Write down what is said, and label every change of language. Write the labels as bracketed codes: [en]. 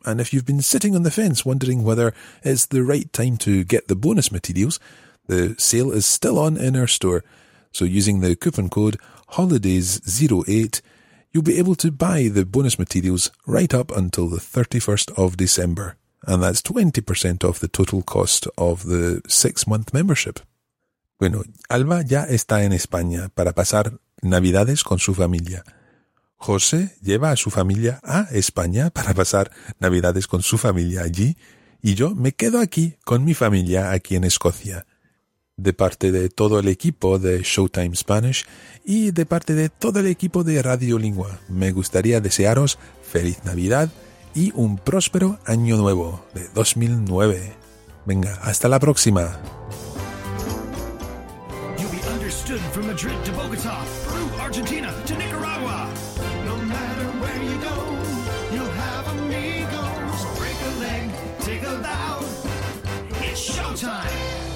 [en] And if you've been sitting on the fence wondering whether it's the right time to get the bonus materials, the sale is still on in our store. So using the coupon code HOLIDAYS08, you'll be able to buy the bonus materials right up until the 31st of December. And that's 20% off the total cost of the 6-month membership. [es] Bueno, Alba ya está en España para pasar Navidades con su familia. José lleva a su familia a España para pasar Navidades con su familia allí. Y yo me quedo aquí con mi familia aquí en Escocia. De parte de todo el equipo de Showtime Spanish y de parte de todo el equipo de Radio Lingua, me gustaría desearos Feliz Navidad y un próspero Año Nuevo de 2009. Venga, hasta la próxima. [en] You'll be understood from Madrid to Bogotá, Peru, Argentina to Nicaragua. No matter where you go, you'll have amigos. Break a leg, take a bow. It's Showtime.